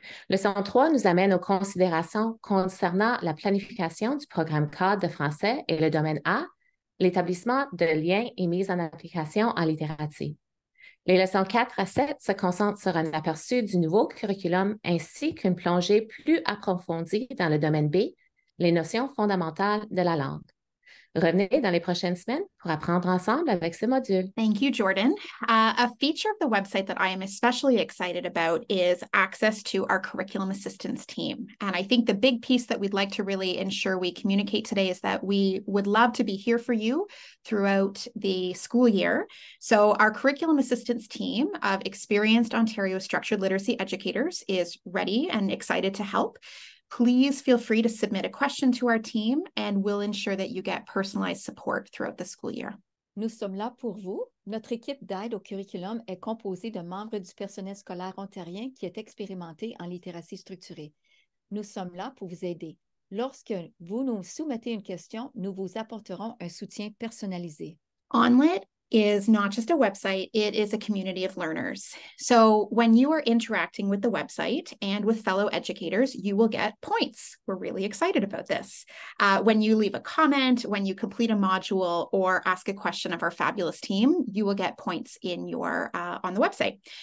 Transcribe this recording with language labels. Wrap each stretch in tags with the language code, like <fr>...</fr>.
<fr>Leçon 3 nous amène aux considérations concernant la planification du programme cadre de français et le domaine A, l'établissement de liens et mise en application en littératie. Les leçons 4 à 7 se concentrent sur un aperçu du nouveau curriculum ainsi qu'une plongée plus approfondie dans le domaine B, les notions fondamentales de la langue. Revenez dans les prochaines semaines pour apprendre ensemble avec ce module.</fr> <en>Thank you, Jordan. A feature of the website that I am especially excited about is access to our curriculum assistance team. And I think the big piece that we'd like to really ensure we communicate today is that we would love to be here for you throughout the school year. So our curriculum assistance team of experienced Ontario structured literacy educators is ready and excited to help. Please feel free to submit a question to our team and we'll ensure that you get personalized support throughout the school year.</en> <fr>Nous sommes là pour vous. Notre équipe d'aide au curriculum est composée de membres du personnel scolaire ontarien qui est expérimenté en littératie structurée. Nous sommes là pour vous aider. Lorsque vous nous soumettez une question, nous vous apporterons un soutien personnalisé.</fr> <en>ONlit is not just a website, it is a community of learners. So when you are interacting with the website and with fellow educators, you will get points. We're really excited about this. When you leave a comment, when you complete a module or ask a question of our fabulous team, you will get points in your on the website.</en>